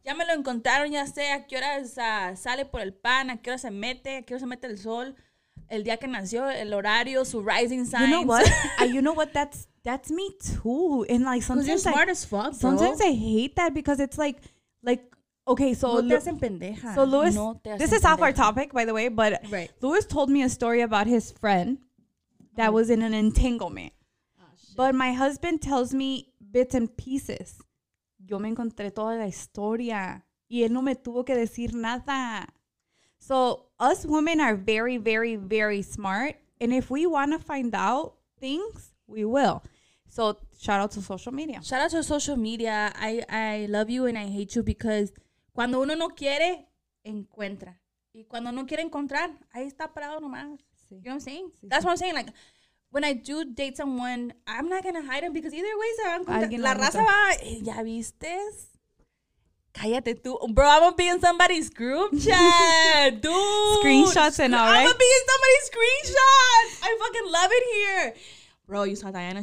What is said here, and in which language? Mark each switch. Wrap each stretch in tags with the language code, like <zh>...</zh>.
<es>Ya me lo encontraron, ya sé a qué hora sale por el pan, a qué hora se mete el sol, el día que nació, el horario, su</es> <en>rising sign. You know what? That's me too. And like sometimes you're smart as fuck, bro. Sometimes I hate that because it's like okay, so</en> <es>no te hacen pendeja.</es> <en>So Luis, no, this is off our topic, by the way, but right. Luis told me a story about his friend that was in an entanglement. But my husband tells me bits and pieces.</en> <es>Yo me encontré toda la historia. Y él no me tuvo que decir nada.</es> <en>So us women are very, very, very smart. And if we want to find out things, we will. So shout out to social media. Shout out to social media. I love you and I hate you, because</en> <es>cuando uno no quiere, encuentra. Y cuando no quiere encontrar, ahí está parado nomás.</es> <en>Sí. You know what I'm saying? Sí, that's what I'm saying. Like... when I do date someone, I'm not going to hide them, because either way,</en> <es>la raza va, ya vistes? Cállate tú.</es> <en>Bro, I'm going to be in somebody's group chat, dude. Screenshots and all, right? I'm going to be in somebody's screenshots. I fucking love it here. Bro, you saw Diana.</en>